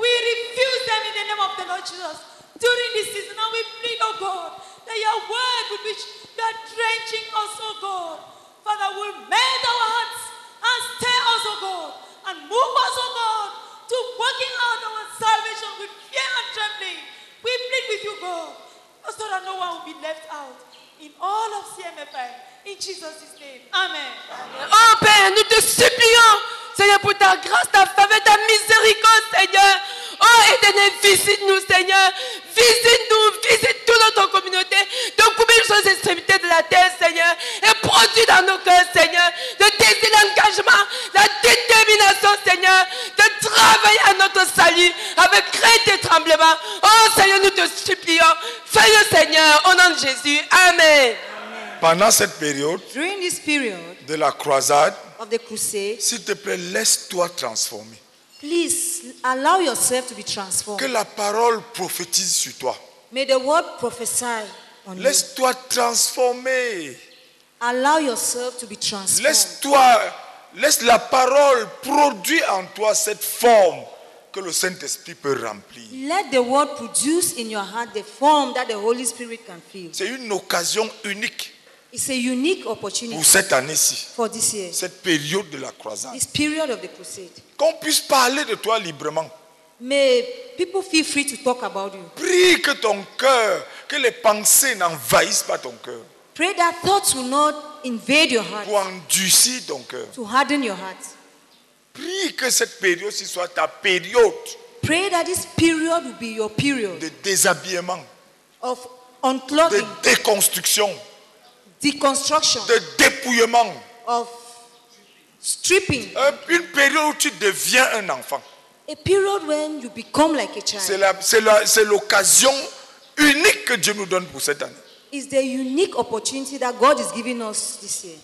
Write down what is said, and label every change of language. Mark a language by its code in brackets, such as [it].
[en] We refuse them in the name of the Lord Jesus. During this season, and we plead, oh God, that your word with which you are drenching us, oh God, Father, will mend our hearts and stir us, oh God, and move us, oh God, to working out our salvation with fear and trembling. We plead with you, God, so that no one will be left out in all of CMFI, In Jesus' name. Amen. [fr] Oh Père, nous te supplions, Seigneur, pour ta grâce, ta faveur, ta miséricorde, Seigneur. Oh Éternel, visite-nous, Seigneur. Visite-nous, visite toute notre communauté. De couper les extrémités de la terre, Seigneur. Et produis dans nos cœurs, Seigneur, de tester l'engagement, la détermination, Seigneur, de travailler à notre salut avec crainte et tremblement. Oh Seigneur, nous te supplions. Fais-le, Seigneur, au nom de Jésus. Amen. Pendant cette période, [en] during this period, [fr] de la croisade, [en] of the crusade, [fr] s'il te plaît, laisse-toi transformer. [en] Please allow yourself to be transformed. [fr] Que la parole prophétise sur toi. [en] May the word prophesy on you. [fr] Laisse-toi transformer. [en] Allow yourself to be transformed. [fr] Laisse la parole produire en toi cette forme que le Saint-Esprit peut remplir. [en] Let the word produce in your heart the form that the Holy Spirit can fill. [fr] C'est une occasion unique. [en] It's a unique opportunity [fr] pour cette année-ci, [en] for this year, [fr] cette période de la croisade, [en] this period of the crusade. [fr] Qu'on puisse parler de toi librement. [en] May people feel free to talk about you. [fr] Prie que ton cœur, que les pensées n'envahissent pas ton cœur. [en] Pray that thoughts will not invade your heart. [fr] Pour endurcir ton cœur. [en] To harden your heart. [fr] Prie que cette période-ci soit ta période. [en] Pray that this period will be your period. [fr] De déshabillement. [en] Of unclothing. [fr] De déconstruction. [en] Deconstruction. [fr] De dépouillement. [en] Of stripping. [fr] Une période où tu deviens un enfant. [en] A period when you become like a child. [fr] C'est l'occasion unique que Dieu nous donne pour cette année. [en] Is the unique opportunity that God is giving us this year.